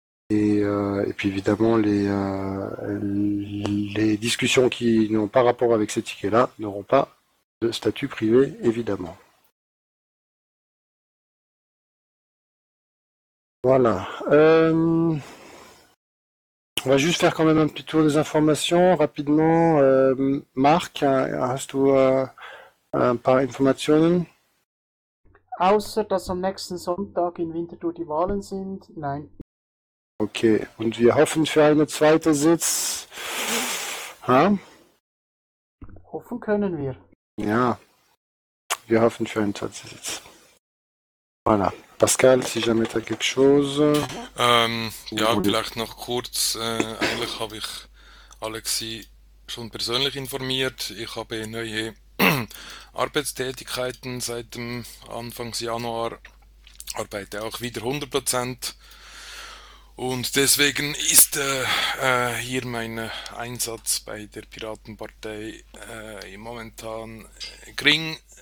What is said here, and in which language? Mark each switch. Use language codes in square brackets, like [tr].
[fr] Et puis évidemment, les discussions qui n'ont pas rapport avec ces tickets-là n'auront pas de statut privé, évidemment. Voilà. On va juste faire quand même un petit tour des informations rapidement. [de] Marc, hast du ein paar Informationen? Außer dass am nächsten Sonntag in Winterthur die Wahlen sind, nein. Okay, und wir hoffen für einen zweiten Sitz. Ha? Hoffen können wir. Ja, wir hoffen für einen zweiten Sitz. [fr] Voilà. Pascal, si jamais t'as quelque chose. [de] Ja, [fr] Oui. [de] vielleicht noch kurz. Eigentlich habe ich Alexi schon persönlich informiert. Ich habe neue Arbeitstätigkeiten seit dem Anfangs Januar, arbeite auch wieder 100%. Und deswegen ist hier mein Einsatz bei der Piratenpartei momentan gering.